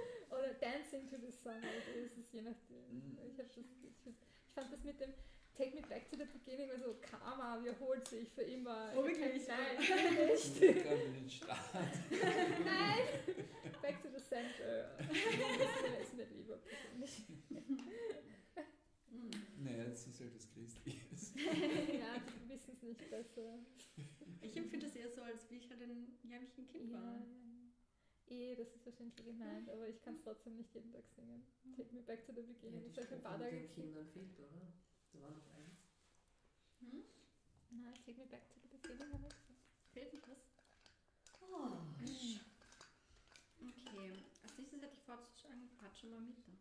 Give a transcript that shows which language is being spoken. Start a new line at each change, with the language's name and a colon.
English: Oder dancing to this song all day.
German: Das ist je nachdem. Ich habe das gefühlt. Ich fand das mit dem
English: Take me back to the beginning,
German: also Karma wiederholt sich für immer. Oh, wirklich? Nein, echt. Nein,
English: back to the center.
German: Das ist mir lieber persönlich. Naja, das ist halt das Christliche. Ja, die wissen es nicht besser. Ich empfinde das eher so, als wie ich halt ein jämmerliches Kind war. Das ist wahrscheinlich gemeint, aber ich kann es trotzdem nicht jeden Tag singen.
English: Take me back to the beginning.
German: Ja, ich habe den Kindern fehlt, oder? Da war noch eins. Hm?
English: Na, take me back to the beginning.
German: Fehlt noch was? Oh, okay, als nächstes hätte ich vorzuschlagen, Patsche mal mit.